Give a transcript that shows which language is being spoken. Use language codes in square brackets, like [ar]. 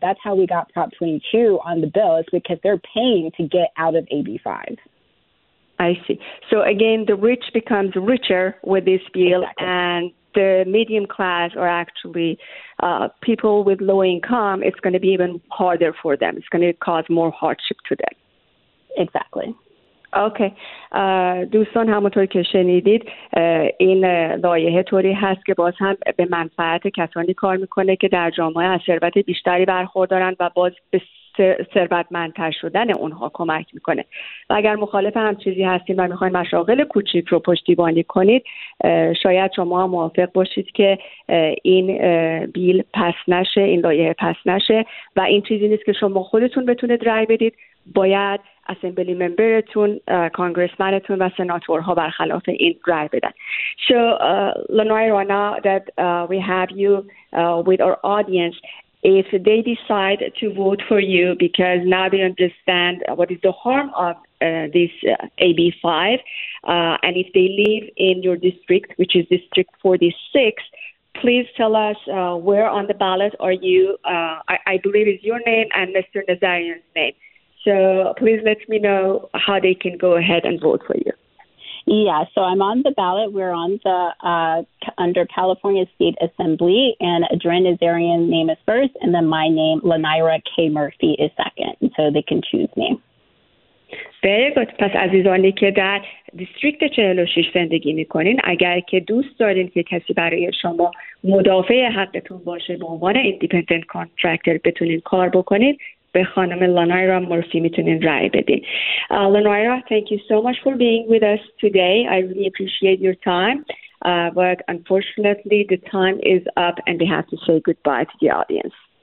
[en] That's how we got Prop 22 on the bill, is because they're paying to get out of AB5. I see. So again, the rich becomes richer with this bill. Exactly. And the medium class, or actually people with low income, it's going to be even harder for them. It's going to cause more hardship to them. Exactly. Okay. [fa] دوستان، همونطور که شنیدید این لایحه طوری هست که باز هم به منفعت کسانی کار میکنه که در جامعه از ثروت بیشتری برخوردارن و باز به ثروتمندتر شدن اونها کمک میکنه. و اگر مخالف هم چیزی هستید و میخواید مشاغل کوچیک رو پشتیبانی کنید، شاید شما موافق باشید که این بیل پس نشه، این لایحه پس نشه. و این چیزی نیست که شما خودتون بتونید رای بدید، باید اسمبلی ممبرتون، کانگرسمنتون و سناتورها برخلاف این رای بدن. [en] So Lenoira, now that we have you with our audience, if they decide to vote for you because now they understand what is the harm of this AB5, and if they live in your district, which is District 46, please tell us where on the ballot are you. I believe it's your name and Mr. Nazarian's name. So please let me know how they can go ahead and vote for you. Yeah, so I'm on the ballot. We're on the under California State Assembly, and Adrian Nazarian's name is first, and then my name, Lenoira K. Murphy, is second. So they can choose me. Very good. [fa] پس عزیزانی که در دیستریکت 46 زندگی میکنین، اگر که دوست دارین که کسی برای شما مدافع حقتون باشه به عنوان ایندیپندنت کانترکتور بتونین کار بکنین، به خانم لانایرا مورفی میتونین رأی بدین. [en] لانایرا, thank you so much for being with us today. I really appreciate your time. But unfortunately, the time is up and we have to say goodbye to the audience.